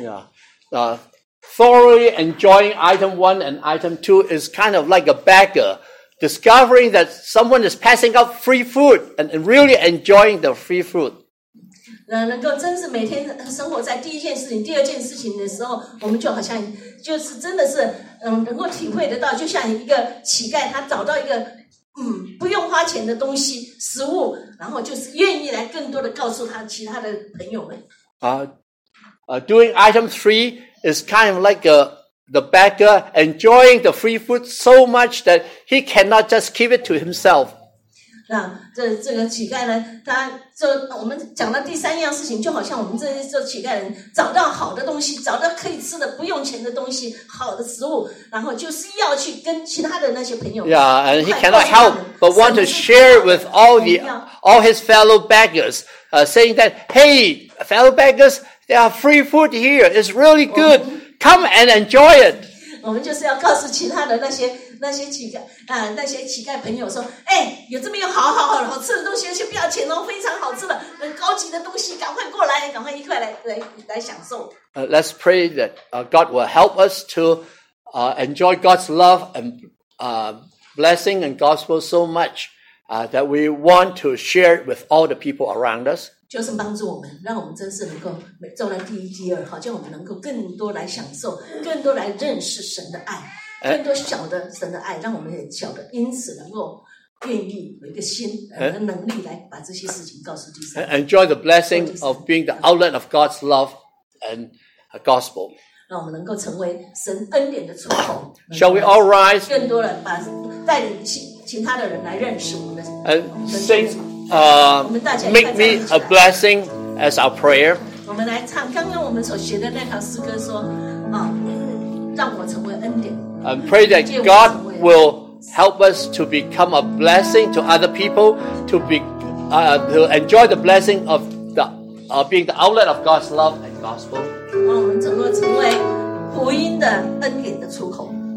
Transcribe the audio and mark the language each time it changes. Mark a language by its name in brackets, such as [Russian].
[English] Yeah, thoroughly enjoying item one and item two is kind of like a beggar discovering that someone is passing out free food and really enjoying the free food. [Chinese] 能够真是每天生活在第一件事情、第二件事情的时候，我们就好像就是真的是能够体会得到，就像一个乞丐他找到一个不用花钱的东西、食物，然后就是愿意来更多的告诉他其他的朋友们。 [English] Doing item three is kind of like the beggar enjoying the free food so much that he cannot just keep it to himself. [Chinese] 这个乞丐呢，他就我们讲到第三样事情，就好像我们这些乞丐人找到好的东西，找到可以吃的不用钱的东西，好的食物，然后就是要去跟其他的那些朋友。 [English] Yeah, and he cannot help but want to share with all his fellow beggars, saying that, hey, fellow beggars, there are free food here. It's really good. Come and enjoy it. [Chinese] 我们就是要告诉其他的那些乞丐那些乞丐朋友说，有这么有好吃的东西，而且不要钱哦，非常好吃的，高级的东西，赶快过来，赶快一块来享受。 [English] Let's pray that God will help us to enjoy God's love and blessing and gospel so much that we want to share it with all the people around us. [Chinese] 就是帮助我们，让我们真是能够做了第一、第二，好叫我们能够更多来享受，更多来认识神的爱，更多晓得神的爱，让我们也晓得，因此能够愿意有一个心和能力来把这些事情告诉弟兄。 [English] Enjoy the blessing of being the outlet of God's love and a gospel. [Chinese] 让我们能够成为神恩典的出口。 [English] Shall we all rise? [Chinese] 更多人把带领其他的人来认识我们的神。 [English] Sing. Make me a blessing as our prayer. [Chinese] 我们来唱刚刚我们所学的那条诗歌说，让我成为恩典。 [English] And pray that God will help us to become a blessing to other people, to enjoy the blessing of being the outlet of God's love and gospel. [Chinese] 让我们能够成为福音的恩典的出口。